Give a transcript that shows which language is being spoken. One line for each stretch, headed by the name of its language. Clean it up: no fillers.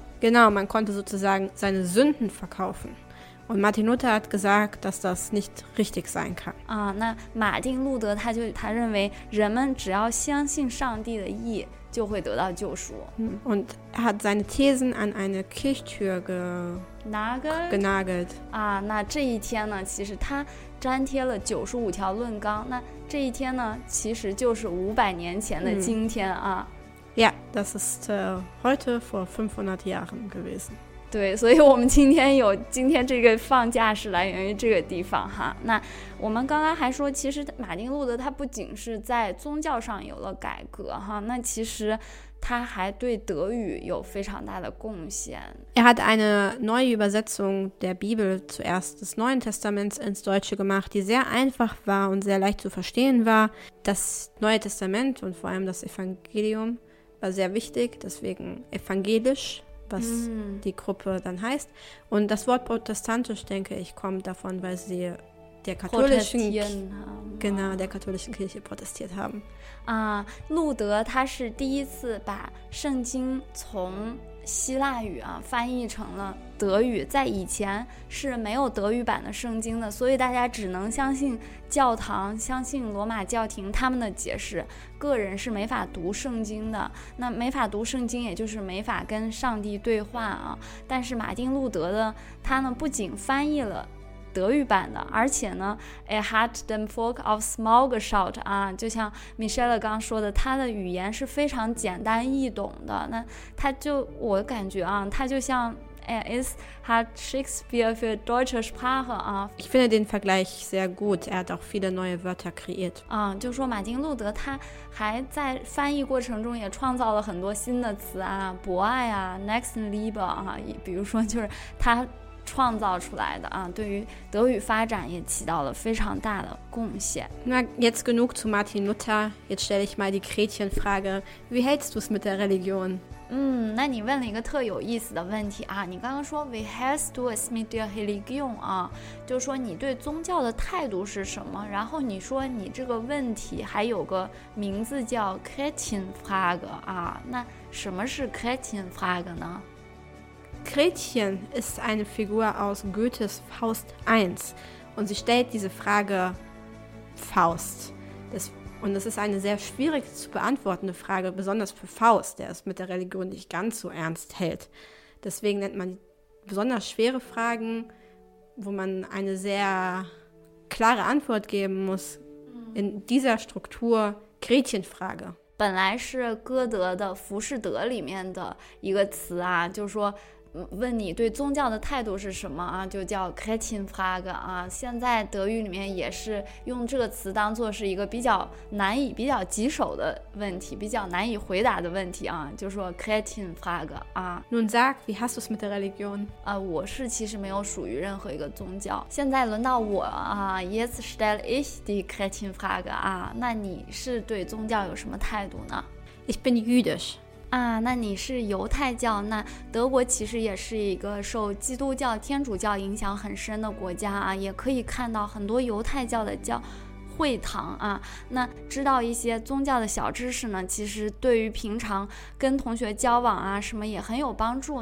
German: Genau, man konnte sozusagen seine Sünden verkaufen. Und Martin Luther hat gesagt, dass das nicht richtig sein kann.
Chinese: 那马丁路德他认为人们只要相信上帝的意就会得到救赎。
German: Und er hat seine Thesen an eine Kirchtür genagelt.
Chinese: 那这一天呢，其实他粘贴了95条论纲，那这一天呢，其实就是500年前的今天啊。
German: Yeah, das ist heute vor 500 Jahren gewesen.
Chinese: 对，所以我们今天这个放假是来源于这个地方哈。那我们刚刚还说，其实马丁路德他不仅是在宗教上有了改革哈，那其实他还对德语有非常大的贡献。
German: Er hat eine neue Übersetzung der Bibel zuerst des Neuen Testaments ins Deutsche gemacht, die sehr einfach war und sehr leicht zu verstehen war. Das Neue Testament und vor allem das Evangelium war sehr wichtig, deswegen evangelisch was die Gruppe dann heißt. Und das Wort protestantisch, denke ich, kommt davon, weil sie der katholischen, genau, der katholischen Kirche protestiert haben.
Chinese: Luther,他是第一次把圣经从 希腊语啊翻译成了德语，在以前是没有德语版的圣经的，所以大家只能相信教堂，相信罗马教廷他们的解释，个人是没法读圣经的。那没法读圣经也就是没法跟上帝对话啊。但是马丁路德的他呢，不仅翻译了德语版的，而且呢 ，
German: a hat dem folk of Smorgasbord
Chinese: 啊，就像 Michelle 刚说的，他的语言是非常简单易懂的。那他就我感觉啊，他就像 ，
German: es hat Shakespeare für deutsche Sprache
Chinese: 啊。
German: Ich finde den Vergleich sehr gut. Er hat auch viele neue Wörter kreiert.
Chinese: 啊，就说马丁路德他还在翻译过程中也创造了很多新的词啊，博爱啊 ，Nächstenliebe 啊，比如说就是他。创造出来的啊，对于德语发展也起到了非常大的贡献。那
German: jetzt genug zu Martin Luther, jetzt stelle ich mal die Gretchenfrage, wie hältst du es mit der Religion?
Chinese: 那你问了一个特有意思的问题啊，你刚刚说
German: wie hältst du es mit der Religion
Chinese: 啊，就是说你对宗教的态度是什么，然后你说你这个问题还有个名字叫 Gretchenfrage 啊，那什么是 Gretchenfrage 呢？
German: Gretchen ist eine Figur aus Goethes Faust 1 und sie stellt diese Frage Faust. Und das ist eine sehr schwierig zu beantwortende Frage, besonders für Faust, der es mit der Religion nicht ganz so ernst hält. Deswegen nennt man besonders schwere Fragen, wo man eine sehr klare Antwort geben muss, in dieser Struktur Gretchenfrage.
Chinese: 本来是歌德的《浮士德》里面的一个词啊，就是说问你对宗教的态度是什么啊，就叫 Gretchenfrage 啊。现在德语里面也是用这个词当做是一个比较难以、比较棘手的问题，比较难以回答的问题啊，就说 Gretchenfrage 啊。
German: Nun sag, wie hast du es mit der Religion?
Chinese: 啊，我是其实没有属于任何一个宗教。现在轮到我啊 ，
German: Jetzt stelle ich die Gretchenfrage
Chinese: 啊。那你是对宗教有什么态度呢
German: ？Ich bin jüdisch.
Chinese: 啊，那你是犹太教，那德国其实也是一个受基督教、天主教影响很深的国家啊，也可以看到很多犹太教的教会堂啊。那知道一些宗教的小知识呢，其实对于平常跟同学交往啊什么也很有帮助。